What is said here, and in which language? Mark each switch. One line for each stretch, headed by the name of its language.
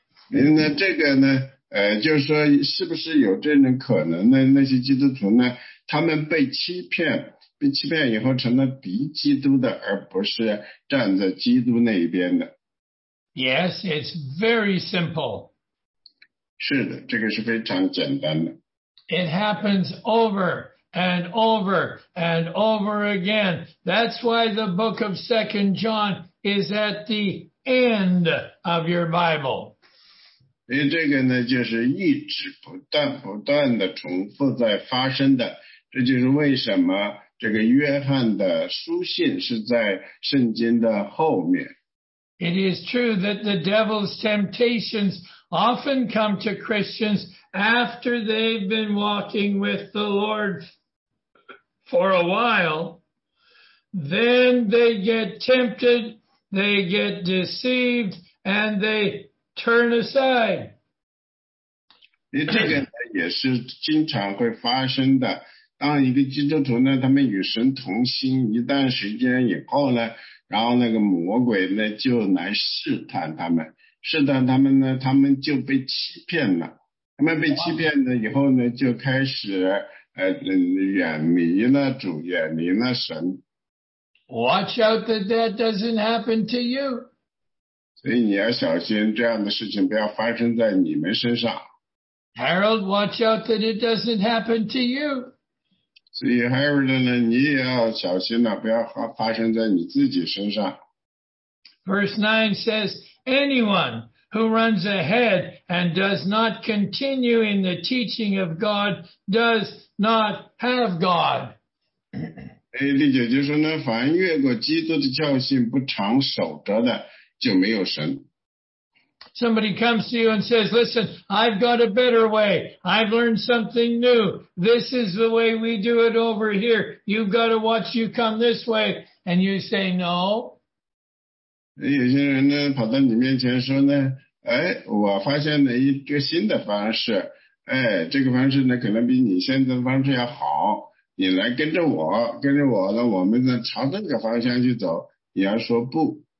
Chinese: 那这个呢就是说是不是有这种可能呢，那些基督徒呢他们被欺骗以后成了敌基督的，而不是站在基督那一边的。
English: Yes, it's very simple.
Chinese: 是的，这个是非常简单的。
English: It happens over and over and over again. That's why the book of 2 John is at the end of your Bible.
Chinese: 因为这个呢就是一直不断不断的重复在发生的，这就是为什么这个约翰的书信是在圣经的后面。
English: It is true that the devil's temptations often come to Christians after they've been walking with the Lord for a while. Then they get tempted, they get deceived, and they turn aside.
Chinese: 这个也是经常会发生的，当一个基督徒呢他们与神同心一段时间以后呢，然后那个魔鬼呢就来试探他们呢，他们就被欺骗了，他们被欺骗了以后呢就开始远离了主，远离了神。
English: Watch out that that doesn't happen to you.
Chinese: 所以你要小心这样的事情不要发生在你们身上。
English: Harold, watch out that it doesn't happen to you.
Chinese: 所以 Harold 呢你也要小心了，不要发生在你自己身上。
English: Verse 9 says, anyone who runs ahead and does not continue in the teaching of God does not have God.
Chinese: 第九节说呢，凡越过基督的教训不常守着的就没有神。
English: Somebody comes to you and says, listen, I've got a better way. I've learned something new. This is the way we do it over here. You've got to watch you come this way. And you say, no.
Chinese: 有些人呢跑到你面前说呢，我发现了一个新的方式，这个方式呢可能比你现在的方式要好，你来跟着我，跟着我呢我们呢朝这个方向去走，你要说不。